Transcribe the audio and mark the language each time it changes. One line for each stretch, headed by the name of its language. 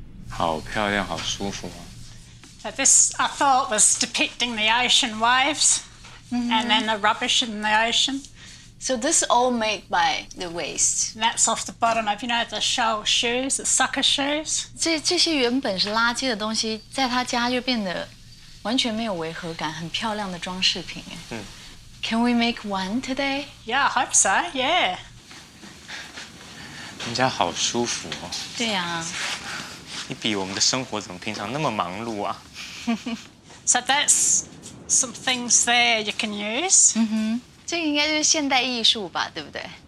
Chinese: 好漂亮，好舒服啊。
English: This, I thought, was depicting the ocean waves, mm-hmm. and then the rubbish in the ocean. So this is all made by the waste. That's off the bottom of, you know, the shell shoes, the sucker shoes.
Chinese: 这些原本是垃圾的东西，在他家就变得完全没有违和感，很漂亮的装饰品。
English: 嗯。Can we make one today? Yeah, I hope so. Yeah.
Chinese: 人家好舒服哦。对呀。你比我们的生活怎么平常那么忙碌啊？
English: So that's some things there you can use. Mm-hmm.
Chinese: 这应该就是现代艺术吧，对不对